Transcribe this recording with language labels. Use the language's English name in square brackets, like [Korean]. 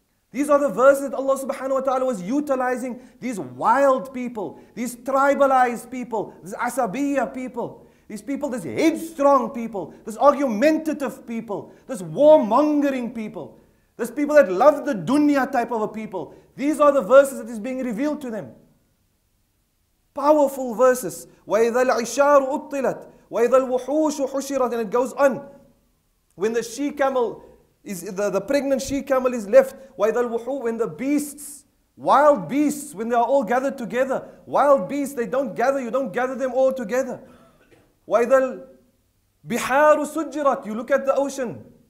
[English] These are the verses that Allah subhanahu wa ta'ala was utilizing. These wild people, these tribalized people, these asabiyya people, these people, these headstrong people, this argumentative people, this warmongering people, these people that love the dunya type of a people. These are the verses that is being revealed to them. Powerful verses. [Arabic] وَإِذَا الْعِشَارُ أُطِّلَتْ وَإِذَا الْوُحُوشُ حُشِرَتْ [English] And it goes on. When the she-camel, the pregnant she-camel is left. [Arabic] وَإِذَا الْوُحُوشُ [English] When the beasts, wild beasts, when they are all gathered together. Wild beasts, they don't gather, you don't gather them all together. [Arabic] وَإِذَا الْبِحَارُ سُجِّرَتْ [English] You look at the ocean.